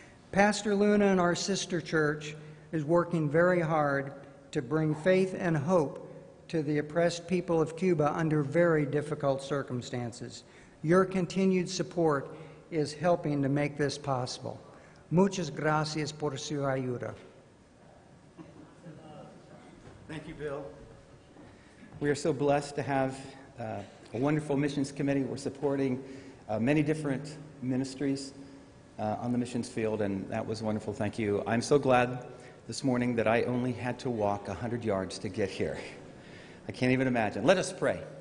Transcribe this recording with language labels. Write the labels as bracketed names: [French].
[English] Pastor Luna and our sister church is working very hard to bring faith and hope to the oppressed people of Cuba under very difficult circumstances. Your continued support is helping to make this possible. [Spanish] Muchas gracias por su ayuda. [English] Thank you, Bill. We are so blessed to have a wonderful missions committee. We're supporting many different ministries on the missions field, and that was wonderful. Thank you. I'm so glad this morning that I only had to walk 100 yards to get here. I can't even imagine. Let us pray.